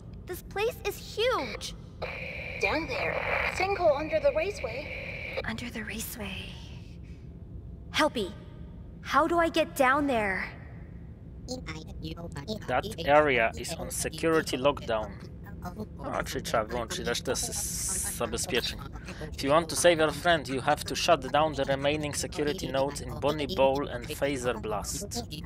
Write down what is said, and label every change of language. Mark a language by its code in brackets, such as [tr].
[en] This place is huge. Down there. Sinkhole under the raceway. Under the raceway. Helpy, how do I get down there? That area is on security lockdown. [pl] Czy trzeba wyłączyć resztę zabezpieczeń. [en] If you want to save your friend, you have to shut down the remaining security nodes in Bonnie Bowl and Phaser Blast.